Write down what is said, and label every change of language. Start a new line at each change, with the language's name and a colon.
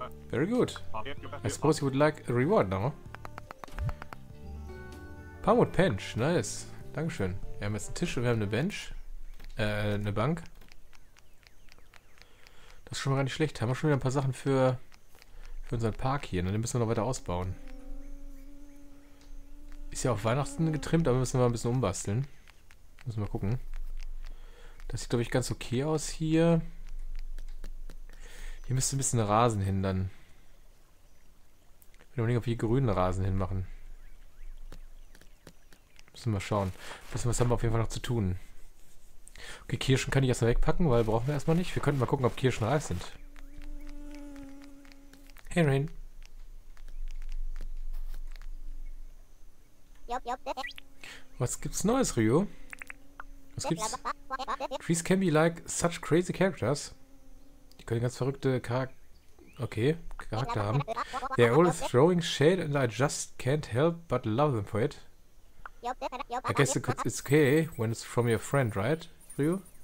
English: Very good. I suppose you would like a reward now. Pamut Pench, nice. Dankeschön.
German: Wir haben jetzt einen Tisch und wir haben eine Bench. Eine Bank. Das ist schon mal gar nicht schlecht. Haben wir schon wieder ein paar Sachen für unseren Park hier. Den müssen wir noch weiter ausbauen. Ist ja auf Weihnachten getrimmt, aber müssen wir mal ein bisschen umbasteln. Müssen wir mal gucken. Das sieht, glaube ich, ganz okay aus hier. Hier müsste ein bisschen Rasen hin dann. Ich bin überlegen, ob wir hier grünen Rasen hinmachen. Müssen wir mal schauen. Was haben wir auf jeden Fall noch zu tun? Okay, Kirschen kann ich erstmal wegpacken, weil brauchen wir erstmal nicht. Wir könnten mal gucken, ob Kirschen reif sind.
English: Hey, Rain.
German: Was gibt's Neues, Ryo? Was gibt's?
English: Trees can be like such crazy characters.
German: Die können ganz verrückte Charakter haben.
English: They're always throwing shade and I just can't help but love them for it. I guess it's okay when it's from your friend, right, Ryo?